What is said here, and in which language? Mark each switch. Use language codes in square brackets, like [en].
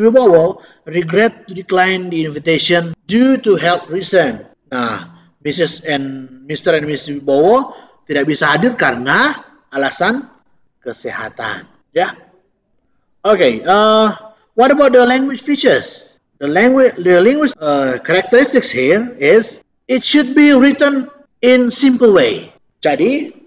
[en] Wibowo regret to decline the invitation due to health reason. Nah, Mr. and Mrs. [id] Wibowo tidak bisa hadir karena alasan kesehatan. [en] Ya. Okay. What about the language features? The language characteristics here is it should be written in simple way. [id] Jadi